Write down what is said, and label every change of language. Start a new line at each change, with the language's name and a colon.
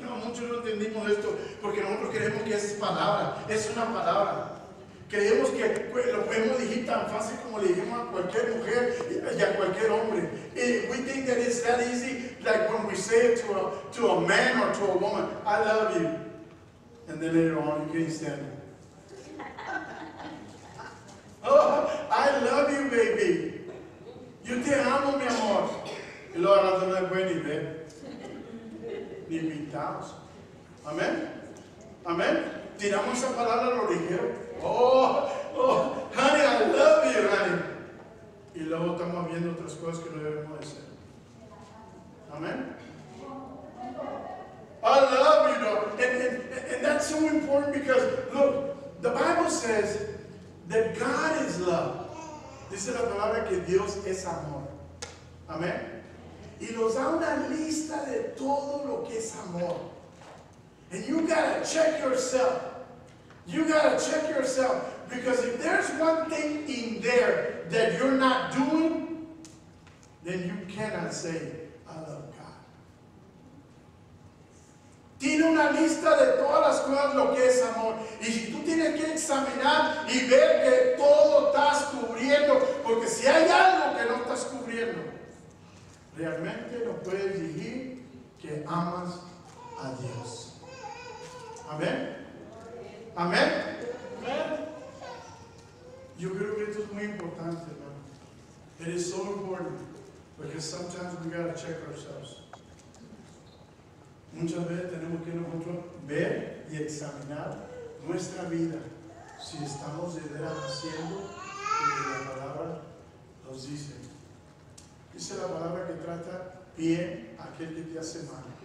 Spanish: No, muchos no entendimos esto porque nosotros creemos que es palabra. Es una palabra. Creemos que lo podemos decir tan fácil como le dijimos a cualquier mujer y a cualquier hombre.
English: We think that it's that easy, like when we say it to a man or to a woman, I love you. And then later on, you can't stand it. Oh, I love you, baby.
Spanish: Yo te amo, mi amor. Y lo harás de una buena idea. Ni pintados. Amén. Amén. Tiramos esa palabra a lo ligero.
English: Oh, honey, I love you, honey.
Spanish: Y luego estamos viendo otras cosas que no debemos hacer. Amén.
English: I love you, Lord. And that's so important because, look, the Bible says that God is love.
Spanish: Dice la palabra que Dios es amor. Amén. Y nos da una lista de todo lo que es amor.
English: And you gotta check yourself. You gotta check yourself. Because if there's one thing in there that you're not doing, then you cannot say, I love God.
Spanish: Tiene una lista de todas las cosas lo que es amor. Y si tú tienes que examinar y ver que todo estás cubriendo, porque si hay algo que no estás cubriendo, realmente no puedes decir que amas a Dios. Amén. Amén. Amén. Yo creo que esto es muy importante, hermano.
English: It is so important because sometimes we gotta check ourselves.
Spanish: Muchas veces tenemos que nosotros ver y examinar nuestra vida si estamos de verdad haciendo lo que la palabra nos dice. Esa es la palabra que trata bien a aquel que te hace mal.